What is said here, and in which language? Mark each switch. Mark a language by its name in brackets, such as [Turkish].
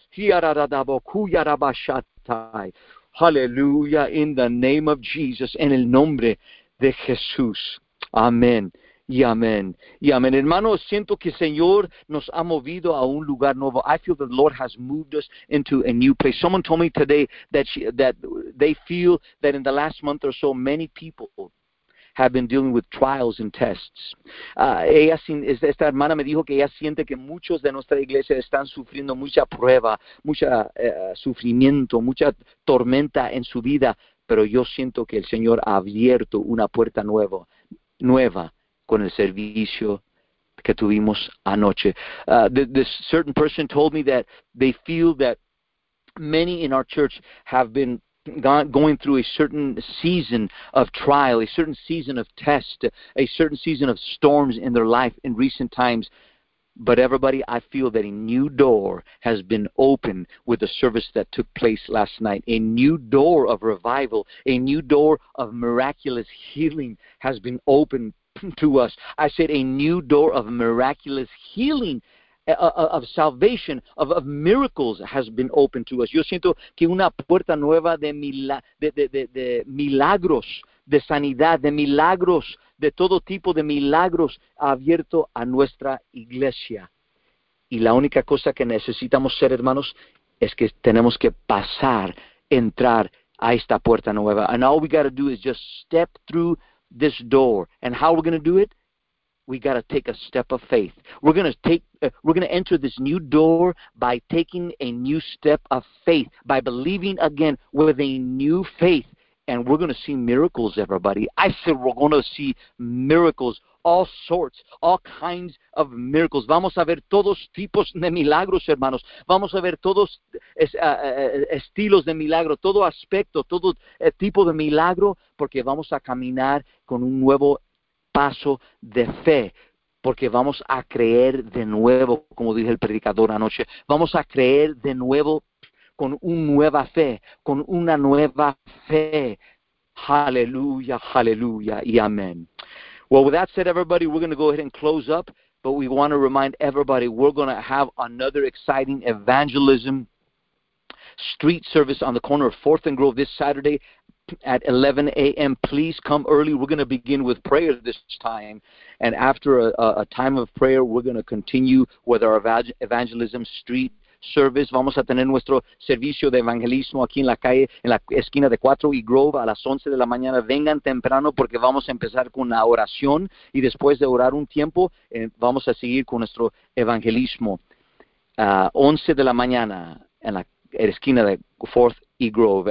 [Spanish] Aleluya, [English] in the name of Jesus, [Spanish] en el nombre de Jesús. Amén. Y amén. Y amén. Hermanos, siento que el Señor nos ha movido a un lugar nuevo. [English] I feel the Lord has moved us into a new place. Someone told me today that they feel that in the last month or so, many people have been dealing with trials and tests. [Spanish] Esta hermana me dijo que ella siente que muchos de nuestra iglesia están sufriendo mucha prueba, mucha sufrimiento, mucha tormenta en su vida. Pero yo siento que el Señor ha abierto una puerta nueva. Con el servicio que tuvimos anoche. [English] This certain person told me that they feel that many in our church have been going through a certain season of trial, a certain season of test, a certain season of storms in their life in recent times. But everybody, I feel that a new door has been opened with the service that took place last night. A new door of revival, a new door of miraculous healing has been opened to us. I said a new door of miraculous healing, of salvation, of miracles has been opened to us. [Spanish] Yo siento que una puerta nueva de milagros, de sanidad, de milagros, de todo tipo de milagros ha abierto a nuestra iglesia. Y la única cosa que necesitamos ser, hermanos, es que tenemos que pasar, entrar a esta puerta nueva. [English] And all we got to do is just step through this door. And how we're going to do it? We got to take a step of faith. We're going to enter this new door by taking a new step of faith, by believing again with a new faith. And we're going to see miracles, everybody. I said we're going to see miracles, all sorts, all kinds of miracles. [Spanish] Vamos a ver todos tipos de milagros, hermanos. Vamos a ver todos estilos de milagro, todo aspecto, todo tipo de milagro, porque vamos a caminar con un nuevo paso de fe, porque vamos a creer de nuevo, como dije el predicador anoche. Vamos a creer de nuevo con una nueva fe, con una nueva fe. Aleluya, aleluya y amén. [English] Well, with that said, everybody, we're going to go ahead and close up, but we want to remind everybody we're going to have another exciting evangelism street service on the corner of 4th and Grove this Saturday at 11 a.m. Please come early. We're going to begin with prayer this time, and after a time of prayer, we're going to continue with our evangelism street service. [Spanish] Vamos a tener nuestro servicio de evangelismo aquí en la calle, en la esquina de 4 y Grove a las 11 de la mañana. Vengan temprano porque vamos a empezar con la oración y después de orar un tiempo vamos a seguir con nuestro evangelismo. 11 de la mañana en la esquina de 4th y Grove.